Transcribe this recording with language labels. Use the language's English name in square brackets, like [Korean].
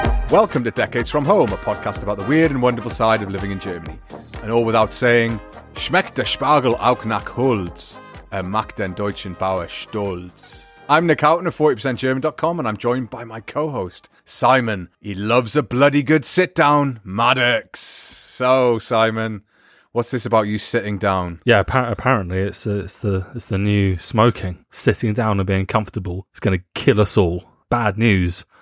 [English] Welcome to Decades From Home, a podcast about the weird and wonderful side of living in Germany. And all without saying, [German] Schmeckt der Spargel auch nach Holz, er mag den deutschen Bauer stolz. [English] I'm Nick Houghton of 40%German.com and I'm joined by my co-host, Simon. He loves a bloody good sit-down, Maddox. So, Simon, what's this about you sitting down? Yeah, apparently it's the new smoking. Sitting down and being comfortable is going to kill us all. Bad news.